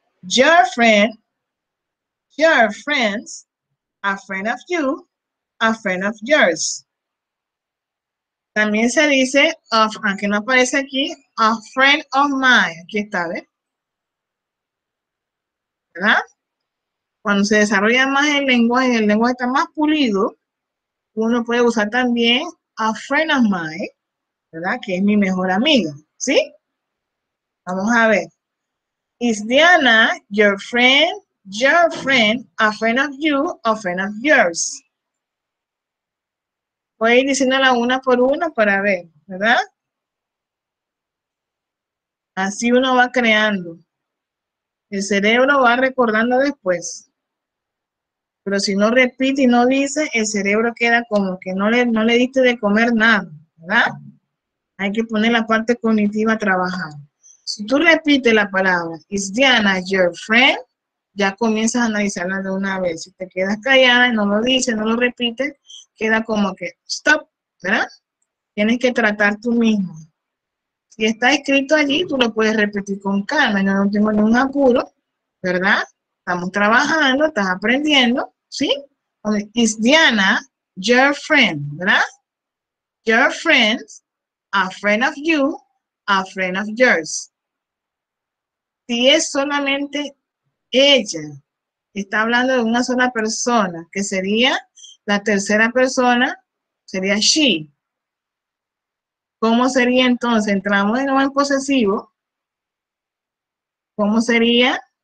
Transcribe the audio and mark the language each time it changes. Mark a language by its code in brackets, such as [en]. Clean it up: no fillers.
[en] Your friend, your friends, a friend of you, a friend of yours. [es] También se dice, of, aunque no aparece aquí, [en] a friend of mine. [es] Aquí está, ¿ves? ¿Verdad? Cuando se desarrolla más el lenguaje está más pulido, uno puede usar también [en] a friend of mine, [es] ¿verdad? Que es mi mejor amiga, ¿sí? Vamos a ver. [en] Is Diana your friend, a friend of you, a friend of yours? [es] Voy a ir diciéndola una por una para ver, ¿verdad? Así uno va creando. El cerebro va recordando después. Pero si no repite y no dice, el cerebro queda como que no le diste de comer nada, ¿verdad? Hay que poner la parte cognitiva a trabajar. Si tú repites la palabra, [en] is Diana your friend, [es] ya comienzas a analizarla de una vez. Si te quedas callada y no lo dices, no lo repites, queda como que stop, ¿verdad? Tienes que tratar tú mismo. Si está escrito allí, tú lo puedes repetir con calma. Yo no tengo ningún apuro, ¿verdad? Estamos trabajando, estás aprendiendo, ¿sí? [en] Is Diana your friend, ¿verdad? Your friend, a friend of you, a friend of yours. [es] Si es solamente ella, está hablando de una sola persona, que sería la tercera persona, sería she. ¿Cómo sería entonces? Entramos de nuevo en posesivo. ¿Cómo sería?